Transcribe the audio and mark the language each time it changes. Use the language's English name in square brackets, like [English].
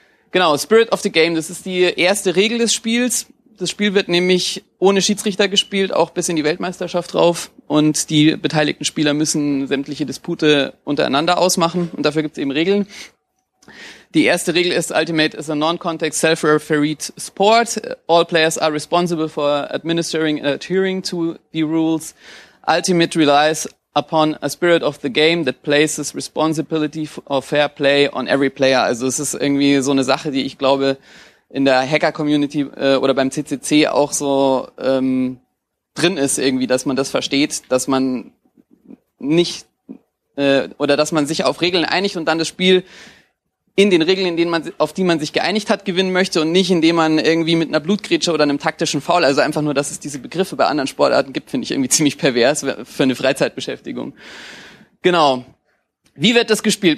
[German] Genau, Spirit of the Game, das ist die erste Regel des Spiels. Das Spiel wird nämlich ohne Schiedsrichter gespielt, auch bis in die Weltmeisterschaft drauf. Und die beteiligten Spieler müssen sämtliche Dispute untereinander ausmachen und dafür gibt es eben Regeln. Die erste Regel ist, [English] Ultimate is a non-contact self-refereed sport. All players are responsible for administering and adhering to the rules. Ultimate relies upon a spirit of the game that places responsibility for fair play on every player. [German] Also es ist irgendwie so eine Sache, die ich glaube in der Hacker-Community oder beim CCC auch so drin ist irgendwie, dass man das versteht, dass man nicht oder dass man sich auf Regeln einigt und dann das Spiel in den Regeln, auf die man sich geeinigt hat, gewinnen möchte und nicht, indem man irgendwie mit einer Blutgrätsche oder einem taktischen Foul, also einfach nur, dass es diese Begriffe bei anderen Sportarten gibt, finde ich irgendwie ziemlich pervers für eine Freizeitbeschäftigung. Genau. Wie wird das gespielt?